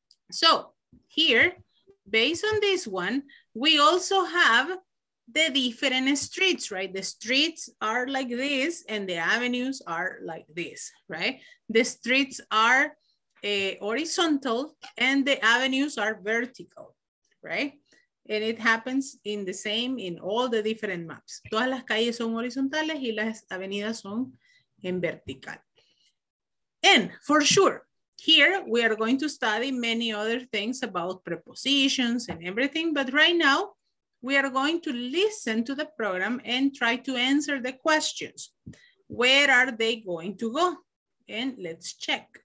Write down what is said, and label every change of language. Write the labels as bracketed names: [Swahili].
[English] So here, based on this one, we also have the different streets, right? The streets are like this and the avenues are like this, right? The streets are horizontal and the avenues are vertical, right? And it happens in the same in all the different maps. [Spanish] Todas las calles son horizontales y las avenidas son en vertical. [English] And for sure, here we are going to study many other things about prepositions and everything, but right now we are going to listen to the program and try to answer the questions. Where are they going to go? And let's check.